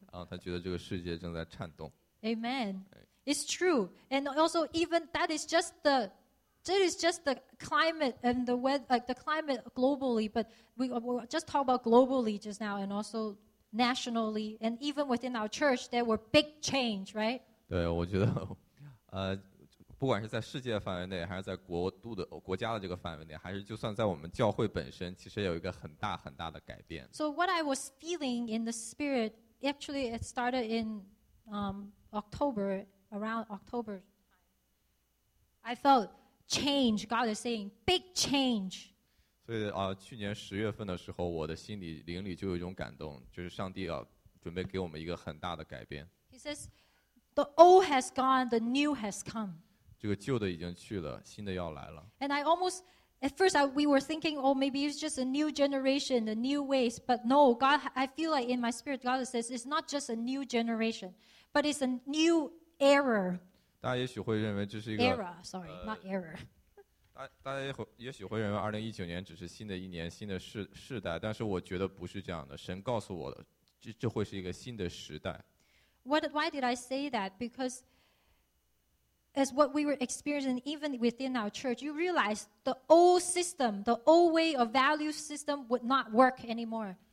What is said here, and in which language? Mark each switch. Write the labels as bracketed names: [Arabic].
[Chinese] 他觉得这个世界正在颤动。 [English] Amen. It's true. And also, even that is just the, that is just the climate and the weather, like the climate globally, but we just talk about globally just now, and also nationally, and even within our church, there were big change, right? [Chinese] 对，我觉得，不管是在世界范围内，还是在国度的国家的这个范围内，还是就算在我们教会本身，其实有一个很大很大的改变。 [English] So what I was feeling in the spirit, actually, it started in October, around October. I felt change. God is saying big change. [Chinese] 所以啊，去年十月份的时候，我的心里灵里就有一种感动，就是上帝啊，准备给我们一个很大的改变。 [English] He says, "The old has gone, the new has come." [Chinese] 这个旧的已经去了，新的要来了。 [English] And I almost, at first, we were thinking, "Oh, maybe it's just a new generation, the new ways." But no, God, I feel like in my spirit, God says it's not just a new generation, but it's a new era. [Chinese] 大家也许会认为这是一个 [English] era, sorry, not error. [Chinese] 大家也许会认为2019年只是新的一年、新的世代，但是我觉得不是这样的。神告诉我的，这会是一个新的时代。 [English] Why did I say that? Because as what we were experiencing, even within our church, you realize the old system, the old way of value system would not work anymore.